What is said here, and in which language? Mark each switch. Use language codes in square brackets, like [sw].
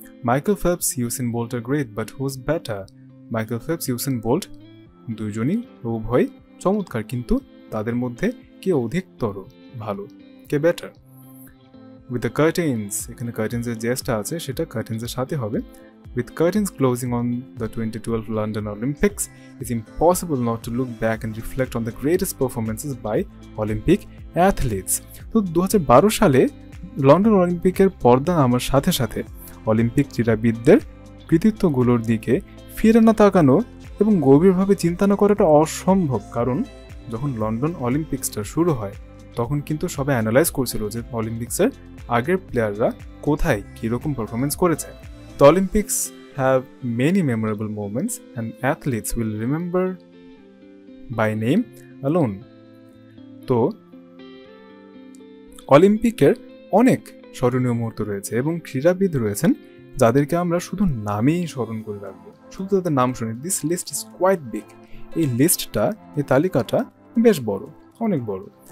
[bn] Michael Phelps ইউসেন bolt [en] Are great, but who is better? [bn] Michael Phelps ইউসেন bolt দুজনই উভয় চমৎকার, কিন্তু তাদের মধ্যে কে অধিকতর ভালো, কে বেটার? [en] with the curtains, [bn] এখানে কার্টেন্সের জেস্টটা আছে সেটা কার্টেন্সের সাথে হবে। [en] With curtains closing on the 2012 London Olympics, it's impossible not to look back and reflect on the greatest performances by Olympic athletes. [bn] So, 2012 সালে লন্ডন অলিম্পিকের পর্দা নামার সাথে সাথে অলিম্পিক ক্রীড়াবিদদের কৃতিত্বগুলোর দিকে ফিরে না তাকানো এবং গভীরভাবে চিন্তা না করাটা অসম্ভব। কারণ যখন লন্ডন অলিম্পিক্সটা শুরু হয়, তখন কিন্তু সবাই অ্যানালাইজ করছিল যে অলিম্পিক্সের আগের প্লেয়াররা কোথায় কীরকম পারফরমেন্স করেছে। [en] The Olympics have many memorable moments and athletes will remember by name alone. [bn] তো অলিম্পিকের অনেক স্মরণীয় মুহূর্ত রয়েছে এবং ক্রীড়াবিদ রয়েছেন যাদেরকে আমরা শুধু নামেই স্মরণ করে রাখব, শুধু তাদের নাম শুনে। [en] this list is quite big, [bn] এই লিস্টটা, এই তালিকাটা বেশ বড়, অনেক বড়।